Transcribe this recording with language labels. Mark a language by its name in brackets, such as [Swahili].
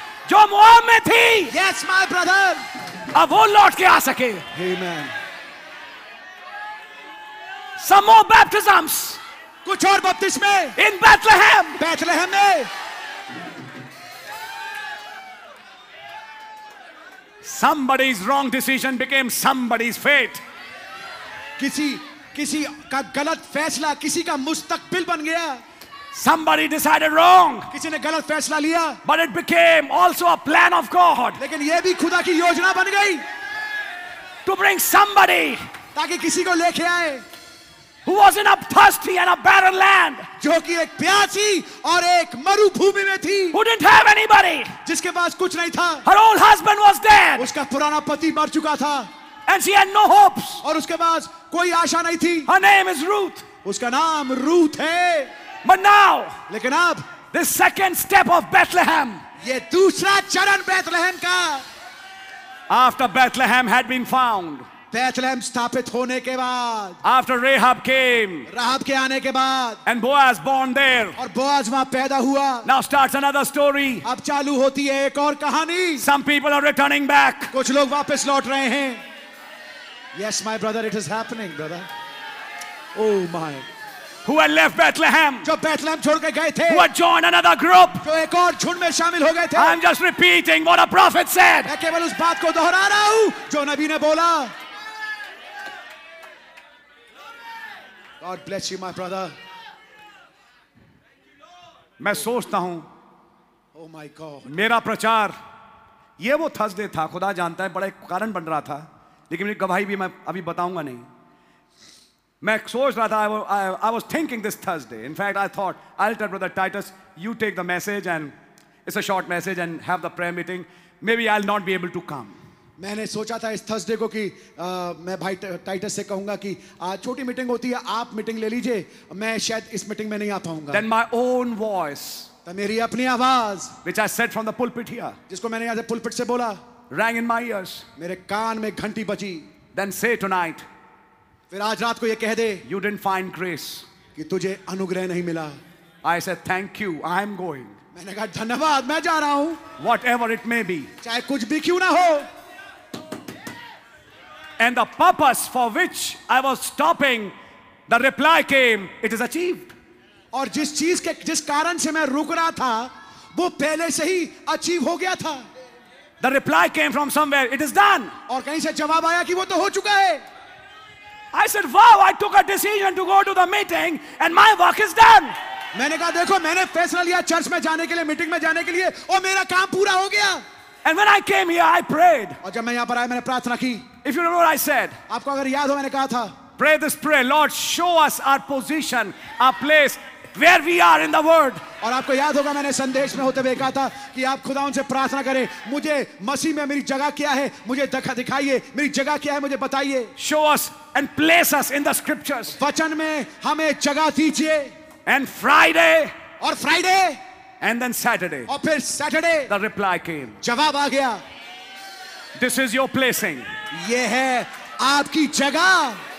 [Hindi] जो मोआब में थी. [English] Yes my brother. [Hindi] अब वो लौट के आ सके. आमीन. [English] Some more baptisms. [Hindi] कुछ और बपतिस्मे. [English] In Bethlehem. [Hindi] Bethlehem में. [English] Somebody's wrong decision became somebody's fate. [Hindi] किसी का गलत फैसला किसी का मुस्तकबिल बन गया. [English] Somebody decided wrong. [Hindi] किसी ने गलत फैसला लिया. [English] But it became also a plan of God. [Hindi] लेकिन ये भी खुदा की योजना बन गई. [English] To bring somebody. [Hindi] ताकि किसी को लेके आए. [English] Who was in a thirsty and a barren land? [Hindi] जो कि एक प्यासी और एक मरुभूमि में थी. [English] Who didn't have anybody? [Hindi] जिसके पास कुछ नहीं था. [English] Her old husband was dead. [Hindi] उसका पुराना पति मर चुका था. [English] And she had no hopes. [Hindi] और उसके पास कोई आशा नहीं थी. [English] Her name is Ruth. [Hindi] उसका नाम रूथ है. [English] But now, [Hindi] लेकिन अब, [English] the second step of Bethlehem. [Hindi] ये दूसरा चरण बेथलहम का. [English] After Bethlehem had been found. [Hindi] Bethlehem स्थापित होने के बाद. [English] After Rahab came. [Hindi] राहब के आने के बाद. [English] And Boaz born there. [Hindi] और बोआज वहां पैदा हुआ. [English] Now starts another story. [Hindi] अब चालू होती है एक और कहानी. [English] Some people are returning back. [Hindi] कुछ लोग वापस लौट रहे हैं. [English] Yes my brother, it is happening brother. Oh my. who had left Bethlehem, [Hindi] jo Bethlehem chhod ke gaye the, [English] who had joined another group, [Hindi] jo ek aur jhund mein shamil ho gaye the. [English] I'm just repeating what a prophet said. [Hindi] Main keval us baat ko dohra raha hu jo nabi ne bola. [English] God bless you, my brother. [Hindi] मैं सोचता हूं [English] oh my God. [Hindi] मेरा प्रचार ये वो Thursday था, खुदा जानता है बड़ा कारण बन रहा था, लेकिन मेरी गवाही भी मैं अभी बताऊंगा नहीं. [English] मैं सोच रहा था, I was thinking this Thursday, in fact I thought I tell brother Titus you take the message and it's a short message and have the prayer meeting, maybe I will not be able to come. [Hindi] मैंने सोचा था इस Thursday को कि मैं भाई Titus से कहूंगा कि आज छोटी मीटिंग होती है, आप मीटिंग ले लीजिए, मैं शायद इस मीटिंग में नहीं आ पाऊंगा. [English] Then my own voice, [Hindi] तो मेरी अपनी आवाज, [English] which I said from the pulpit here, [Hindi] जिसको मैंने यहां से पुलपिट से बोला, [English] rang in my ears, [Hindi] मेरे कान में घंटी बजी. [English] Then say tonight, [Hindi] फिर आज रात को ये कह दे, [English] you didn't find grace, [Hindi] कि तुझे अनुग्रह नहीं मिला. [English] I said thank you, I am going, [Hindi] मैंने कहा धन्यवाद मैं जा रहा हूं, [English] whatever it may be, [Hindi] चाहे कुछ भी क्यों ना हो. [English] And the purpose for which I was stopping, the reply came, it is achieved. [Hindi] और जिस चीज के जिस कारण से मैं रुक रहा था वो पहले से ही अचीव हो गया था. [English] The reply came from somewhere, it is done. [Hindi] और कहीं से जवाब आया कि वो तो हो चुका है. [English] I said, wow, I took a decision to go to the meeting and my work is done. [Hindi] मैंने कहा देखो मैंने फैसला लिया चर्च में जाने के लिए, मीटिंग में जाने के लिए, और मेरा काम पूरा हो गया. [English] And when I came here, I prayed. [Hindi] और जब मैं यहाँ पर आया मैंने प्रार्थना की. [English] If you remember what I said, [Hindi] आपको अगर याद हो मैंने कहा था, [English] pray this prayer, Lord, show us our position, our place, where we are in the word. [Hindi] और आपको याद होगा मैंने संदेश में होते हुए कहा था कि आप खुदा उनसे प्रार्थना करें, मुझे मसीह में मेरी जगह क्या है, मुझे दिखाइए मेरी जगह क्या है, मुझे बताइए. [English] Show us and place us in the scriptures. [Hindi] वचन में हमें जगह दीजिए. [English] And Friday. [Hindi] और फ्राइडे. [English] And then Saturday. [Hindi] और फिर सैटरडे. [English] The reply came. [Hindi] जवाब आ गया. [English] This is your placing. [Hindi] ये है आपकी जगह.